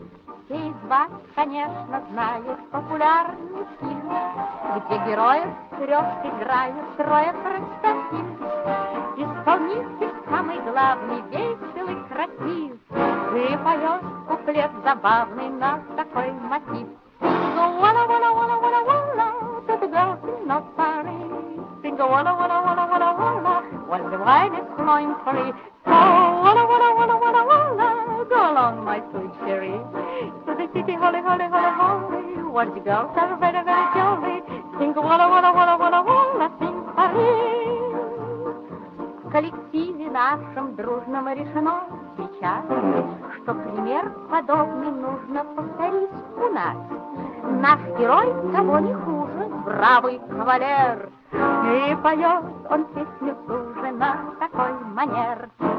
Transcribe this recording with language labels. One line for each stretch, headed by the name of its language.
Russian: играет популярный фильм, где героев трех играют трое простофиль. Исполнитель самый главный, веселый, красив, и поет куплет забавный на такой мотив.
English: Go wala wala wala wala wala, to the girls in the party. Go wala wala wala wala wala, while the wine is flowing free. Go wala wala wala wala wala, go along my sweet cherry. To the city, holly holly holly holly, while the girls are very very jolly. Sing wala wala wala wala wala, sing party.
Russian: В коллективе нашем дружном решено сейчас, что пример подобный нужно повторить у нас. Наш герой того не хуже, бравый кавалер, и поет он песню хуже на такой манер.